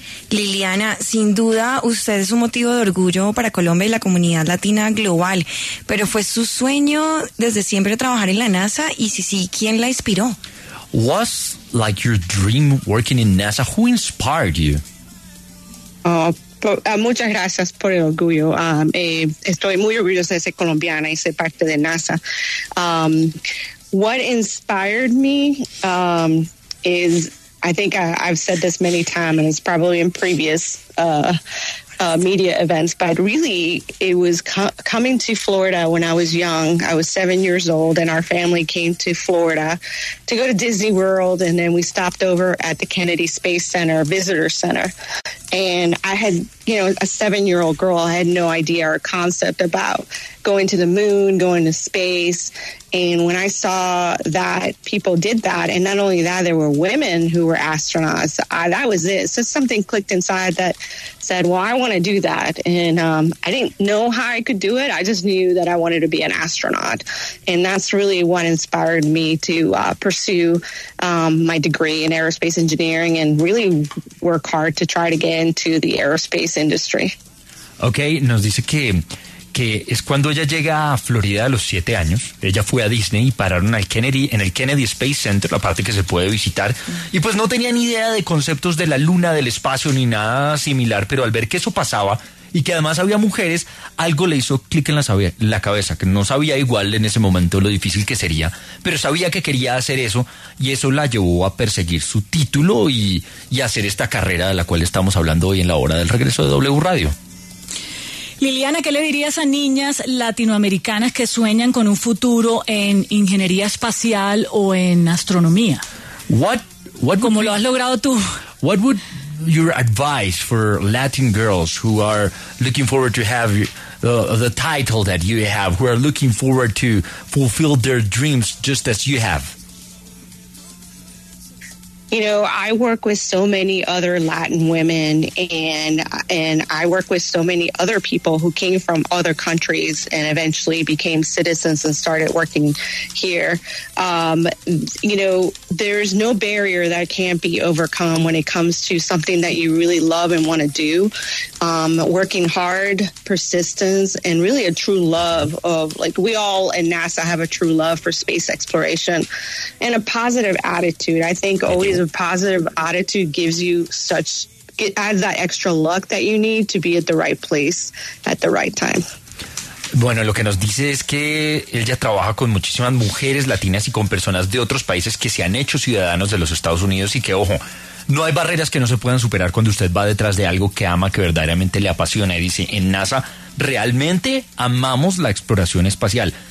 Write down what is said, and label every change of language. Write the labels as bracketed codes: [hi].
[es] Liliana, sin duda usted es un motivo de orgullo para Colombia y la comunidad latina global, pero ¿fue su sueño desde siempre trabajar en la NASA? Y si sí, ¿quién la inspiró? [en] ¿Was like your dream working in NASA? ¿Who inspired you? [es] Muchas gracias por el orgullo. Estoy muy orgullosa de ser colombiana y ser parte de NASA. [en] What inspired me is, I think I've said this many times, and it's probably in previous media events, but really it was coming to Florida when I was young. I was 7 years old, and our family came to Florida to go to Disney World, and then we stopped over at the Kennedy Space Center, Visitor Center. And I had, you know, a seven-year-old girl, I had no idea or concept about going to the moon, going to space. And when I saw that people did that, and not only that, there were women who were astronauts, that was it. So something clicked inside that said, well, I want to do that. And I didn't know how I could do it. I just knew that I wanted to be an astronaut. And that's really what inspired me to pursue my degree in aerospace engineering and really work hard to try to get into the aerospace industry. [es] Okay, nos dice que es cuando ella llega a Florida a los 7 años. Ella fue a Disney y pararon al Kennedy, en el Kennedy Space Center, la parte que se puede visitar, y pues no tenía ni idea de conceptos de la luna, del espacio, ni nada similar, pero al ver que eso pasaba y que además había mujeres, algo le hizo clic en la cabeza, que no sabía igual en ese momento lo difícil que sería, pero sabía que quería hacer eso, y eso la llevó a perseguir su título y hacer esta carrera de la cual estamos hablando hoy en la hora del regreso de W Radio. Liliana, ¿qué le dirías a niñas latinoamericanas que sueñan con un futuro en ingeniería espacial o en astronomía? [en] What [es] como lo has logrado tú. [en] What would your advice for Latin girls who are looking forward to have the title that you have, who are looking forward to fulfill their dreams just as you have? You know, I work with so many other Latin women, and I work with so many other people who came from other countries and eventually became citizens and started working here. You know, there's no barrier that can't be overcome when it comes to something that you really love and want to do. Working hard, persistence, and really a true love of, like, we all in NASA have a true love for space exploration and a positive attitude. I think always a positive attitude gives you such, it adds that extra luck that you need to be at the right place at the right time. [es] Bueno, lo que nos dice es que él ya trabaja con muchísimas mujeres latinas y con personas de otros países que se han hecho ciudadanos de los Estados Unidos, y que, ojo, no hay barreras que no se puedan superar cuando usted va detrás de algo que ama, que verdaderamente le apasiona. Y dice, en NASA realmente amamos la exploración espacial.